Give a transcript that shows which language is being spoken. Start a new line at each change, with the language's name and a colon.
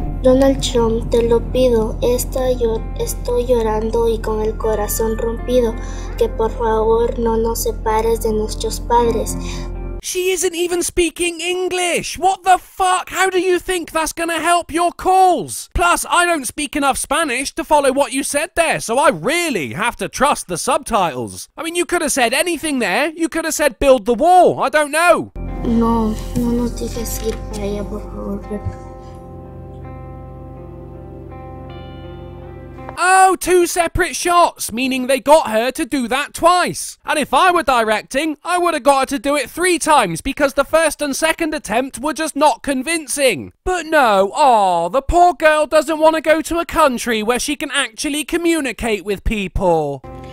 Spanish: Donald Trump, te lo pido, estoy llorando y con el corazón rompido, que por favor no nos separes de nuestros padres.
English: She isn't even speaking English! What the fuck? How do you think that's gonna help your calls? Plus, I don't speak enough Spanish to follow what you said there, so I really have to trust the subtitles. I mean, you could have said anything there. You could have said build the wall. I don't know.
Spanish: No, no nos dejes ir para allá, por favor.
English: Oh, two separate shots, meaning they got her to do that twice. And if I were directing, I would have got her to do it three times because the first and second attempt were just not convincing. But no, aw, the poor girl doesn't want to go to a country where she can actually communicate with people.